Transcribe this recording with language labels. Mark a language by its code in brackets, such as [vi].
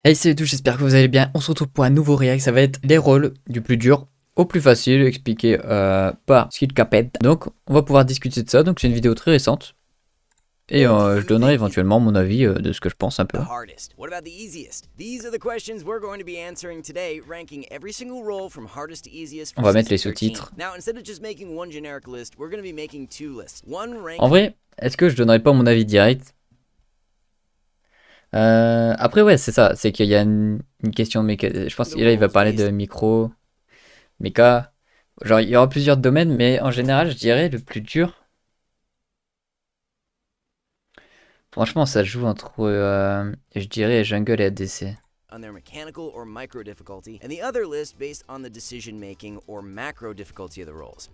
[fr] Hey, salut tout, j'espère que vous allez bien. On se retrouve pour un nouveau react. Ça va être les rôles du plus dur au plus facile, expliqué par Skill Caped. Donc, on va pouvoir discuter de ça. Donc, c'est une vidéo très récente. Et je donnerai éventuellement mon avis de ce que je pense un peu. [en] What about the easiest? These are the questions we're going to be answering today, ranking every single role from hardest to easiest. [fr] On va mettre les sous-titres. [en] Now, instead of just making one generic list, we're going to be making two lists. One rank... [fr] En vrai, est-ce que je donnerai pas mon avis direct? Après ouais c'est ça, c'est qu'il y a une question de méca, je pense que là il va parler de micro, méca, genre il y aura plusieurs domaines mais en général je dirais le plus dur. Franchement ça joue entre, je dirais jungle et ADC. [en] On their mechanical or micro difficulty, and the other list based on the decision making or macro difficulty of the roles.